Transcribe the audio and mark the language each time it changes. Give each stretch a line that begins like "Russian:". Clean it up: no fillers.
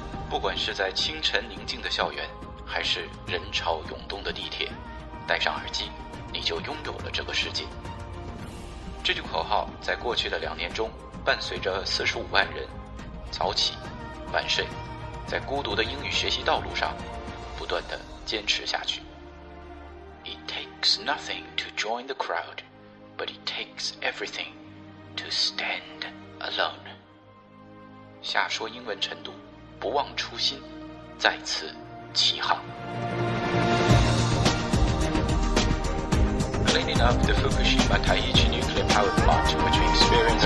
Chinese: 不管是在清晨宁静的校园，还是人潮涌动的地铁，戴上耳机，你就拥有了这个世界。这句口号在过去的两年中，伴随着450,000人早起晚睡，在孤独的英语学习道路上不断地坚持下去。
English: It takes nothing to join the crowd, but it takes everything to stand alone.
Chinese: 下说英文晨读，不忘初心，再次起航。
English: Cleaning up the Fukushima Taiichi nuclear power plant, which experienced